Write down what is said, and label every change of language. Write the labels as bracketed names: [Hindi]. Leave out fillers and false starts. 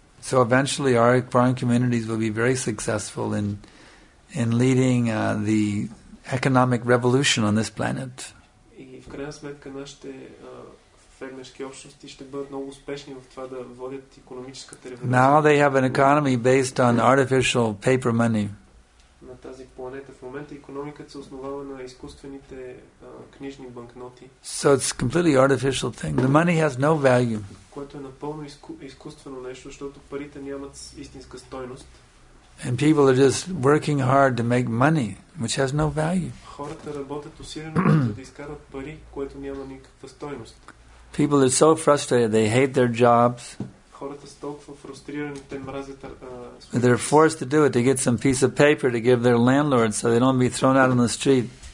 [English] So eventually our foreign communities will be very successful in leading the economic revolution on this planet. [Bulgarian] И в крайна сметка нашите фермерски общности ще бъдат много успешни в това да водят икономическата революция. [English] Now they have an economy based on artificial paper money. [Bulgarian] На тази планета в момента икономиката се основава на изкуствените книжни банкноти. [English] So it's completely artificial thing. The money has no value. [Bulgarian] Което е напълно изкуствено нещо, защото парите нямат истинска стойност. [English] And people are just working hard to make money, which has no value. [Bulgarian] Хората работят усилено, за да изкарат пари, което няма никаква стойност. [English] People are so frustrated, they hate their jobs. [Bulgarian] Хората са толкова фрустрирани, те мразят. [English] They're forced to do it to get some piece of paper to give their landlord so they don't be thrown out on the street.